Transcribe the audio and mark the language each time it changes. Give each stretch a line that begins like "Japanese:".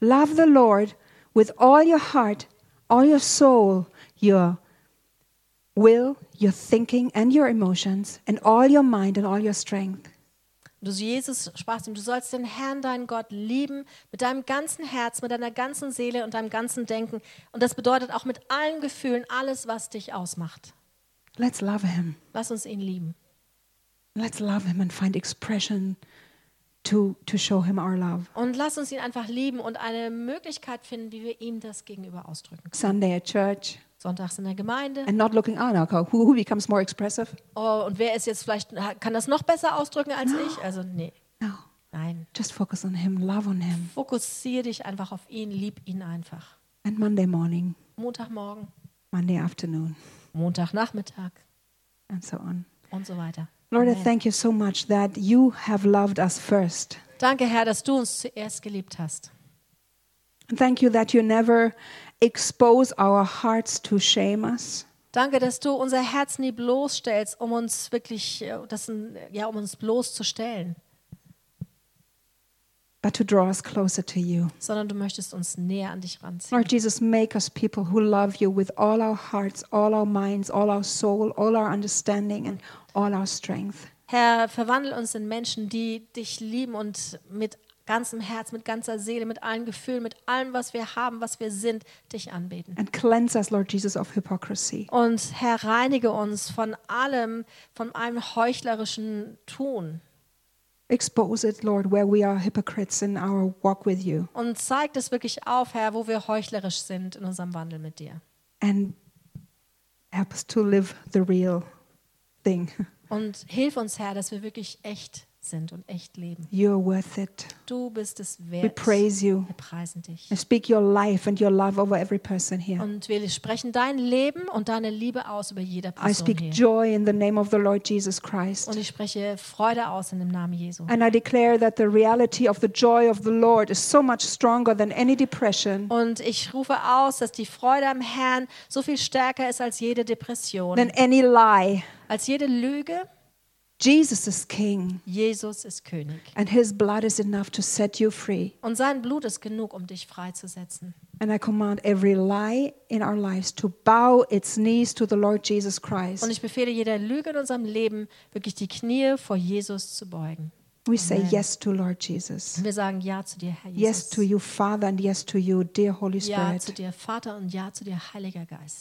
English: Love the Lord with all your heart, all your soul, your will, your thinking and your emotions and all your mind and all your strength.
German: Jesus sprach ihm, du sollst den Herrn, deinen Gott, lieben mit deinem ganzen Herz, mit deiner ganzen Seele und deinem ganzen Denken. Und das bedeutet auch mit allen Gefühlen, alles, was dich ausmacht.
English: Let's love him.
German: Lass uns ihn lieben.
English: Let's love him and find expression to show him our love.
German: Und lass uns ihn einfach lieben und eine Möglichkeit finden, wie wir ihm das gegenüber ausdrücken können.
English: Sunday at church.
German: Sonntags in der Gemeinde.
English: And not looking on, okay. Who becomes more expressive?
German: Oh, und wer ist jetzt vielleicht, kann das noch besser ausdrücken als ich? Also, nee.
English: No.
German: Nein.
English: Just focus on him, love on him.
German: Fokussiere dich einfach auf ihn, lieb ihn einfach.
English: And Monday morning.
German: Montagmorgen.
English: Monday afternoon.
German: Montagnachmittag.
English: And so on.
German: Und so weiter.
English: Lord, I thank you so much that you have loved us first.
German: Danke, Herr, dass du uns zuerst geliebt hast.
English: And thank you that you never expose our hearts to shame us.
German: Danke, dass du unser Herz nie bloßstellst, um uns wirklich, um uns bloßzustellen.
English: But to draw us closer to you.
German: Sondern du möchtest uns näher an dich ranziehen.
English: Lord Jesus, make us people who love you with all our hearts, all our minds, all our soul, all our understanding and all our strength.
German: Herr, verwandle uns in Menschen, die dich lieben und mit ganzem Herz, mit ganzer Seele, mit allen Gefühlen, mit allem, was wir haben, was wir sind, dich anbeten.
English: And cleanse us, Lord Jesus, of hypocrisy.
German: Und Herr, reinige uns von allem, von einem heuchlerischen Tun.
English: Expose it, Lord, where we are hypocrites in our walk with you.
German: Und zeig es wirklich auf, Herr, wo wir heuchlerisch sind in unserem Wandel mit dir.
English: And help us to live the real thing.
German: Und hilf uns, Herr, dass wir wirklich echt sind und echt leben.
English: You're worth it.
German: Du bist es wert.
English: We praise you.
German: Wir preisen dich.
English: And speak your life and your love over every person here.
German: Und wir sprechen dein Leben und deine Liebe aus über jede Person hier.
English: I speak joy in the name of the Lord Jesus Christ.
German: Und ich spreche Freude aus in dem Namen Jesu.
English: And I declare that the reality of the joy of the Lord is so much stronger than any depression.
German: Und ich rufe aus, dass die Freude am Herrn so viel stärker ist als jede Depression.
English: Than any lie.
German: Als jede Lüge.
English: Jesus is King.
German: Jesus ist König.
English: And his blood is enough to set you free.
German: Und sein Blut ist genug, um dich freizusetzen.
English: And I command every lie in our lives to bow its knees to the Lord Jesus Christ.
German: Und ich befehle jeder Lüge in unserem Leben, wirklich die Knie vor Jesus zu beugen.
English: We Amen. Say yes to Lord Jesus.
German: Wir sagen ja zu dir, Herr Jesus.
English: Yes to you, Father, and yes to you, dear Holy Spirit.
German: Ja zu dir, Vater, und ja zu dir, Heiliger Geist.